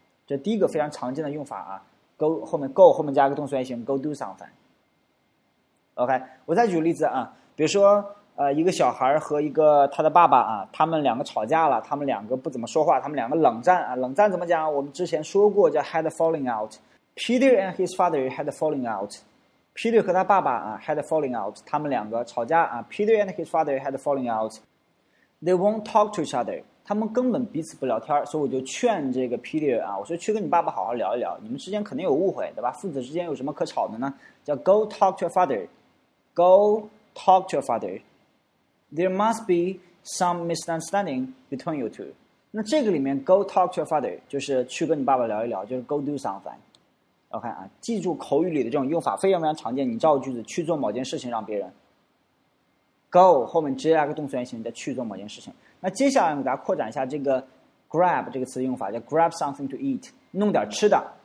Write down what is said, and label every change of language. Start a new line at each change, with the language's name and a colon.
Chinese: 这第一个非常常见的用法啊 ，go 后面 go 后面加个动词原形 ，
English: go do something。
Chinese: OK， 我再举个例子啊，比如说。一个小孩和一个他的爸爸啊，他们两个吵架了，他们两个不怎么说话，他们两个冷战啊。冷战怎么讲？我们之前说过叫
English: had a falling out。 Peter and his father had a falling out。 Peter
Chinese: 和他爸爸啊
English: had a falling out，
Chinese: 他们两个吵架啊。
English: Peter and his father had a falling out。 They won't talk to each other，
Chinese: 他们根本彼此不聊天。所以我就劝这个 Peter 啊，我说去跟你爸爸好好聊一聊，你们之间肯定有误会，对吧？父子之间有什么可吵的呢？叫
English: go talk to your father， go talk to your fatherThere must be some misunderstanding between you two。
Chinese: 那这个里面
English: go talk to your father
Chinese: 就是去跟你爸爸聊一聊，就是 go do something。 OK 啊，记住口语里的这种用法非常非常常见，你造句子去做某件事情让别人 go 后面直接加个动词原形，再去做某件事情。那接下来我给大家扩展一下这个 grab 这个词的用法，叫
English: grab something to eat，
Chinese: 弄点吃的。